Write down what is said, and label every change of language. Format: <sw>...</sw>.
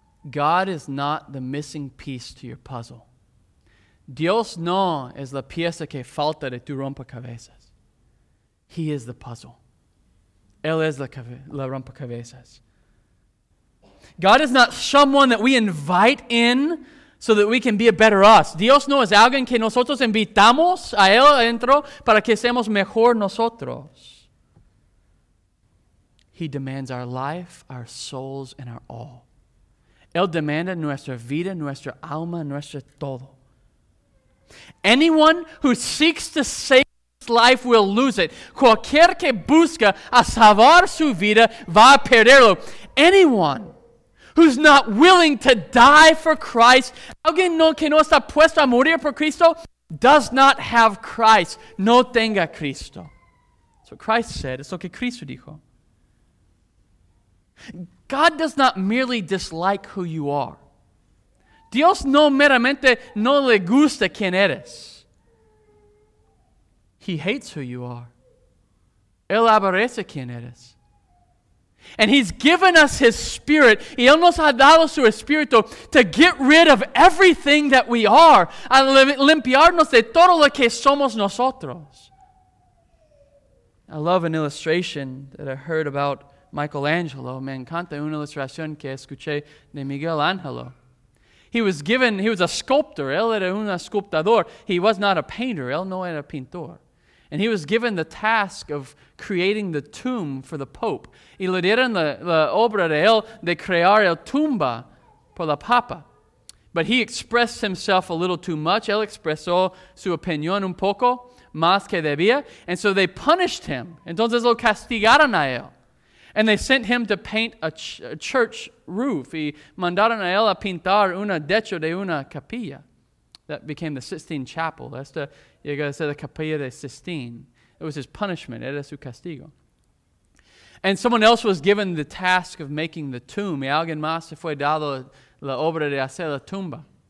<en>God is not the missing piece to your puzzle.</en> <es>Dios no es la pieza que falta de tu rompecabezas.</es> <en>He is the puzzle.</en> <es>Él es la rompecabezas.</es> <en>God is not someone that we invite in so that we can be a better us.</en> <es>Dios no es alguien que nosotros invitamos a Él adentro para que seamos mejor nosotros.</es> <en>He demands our life, our souls, and our all.</en> <es>Él demanda nuestra vida, nuestra alma, nuestro todo.</es> <en>Anyone who seeks to save his life will lose it.</en> <es>Cualquier que busca a salvar su vida va a perderlo.</es> <en>Anyone who's not willing to die for Christ,</en> <es>alguien no que no está puesto a morir por Cristo,</es> <en>does not have Christ.</en> <es>No tenga Cristo.</es> <en>That's what Christ said. It's</en> <es>lo que Cristo dijo.</es> <en>God does not merely dislike who you are.</en> <es>Dios no meramente no le gusta quién eres.</es> <en>He hates who you are.</en> <es>Él aborrece quién eres.</es> <en>And he's given us his spirit.</en> <es>Y él nos ha dado su espíritu</es> <en>to get rid of everything that we are.</en> <es>A limpiarnos de todo lo que somos nosotros.</es> <en>I love an illustration that I heard about Michelangelo.</en> <es>Me encanta una ilustración que escuché de Miguel Ángelo.</es> <en>He was a sculptor.</en> <es>Él era un escultor.</es> <en>He was not a painter.</en> <es>Él no era pintor.</es> <en>And he was given the task of creating the tomb for the Pope.</en> <es>Y le dieron la obra de él de crear el tumba por la Papa.</es> <en>But he expressed himself a little too much.</en> <es>Él expresó su opinión un poco más que debía.</es> <en>And so they punished him.</en> <es>Entonces lo castigaron a él.</es> <en>And they sent him to paint a church roof.</en> <es>Y mandaron a él a pintar una techo de una capilla.</es> <en>That became the Sistine Chapel.</en> <es>Esta llega a ser la capilla de Sistine.</es> <en>It was his punishment.</en> <es>Era su castigo.</es> <en>And someone else was given the task of making the tomb.</en> <es>Y alguien más se fue dado la obra de hacer la tumba.</es>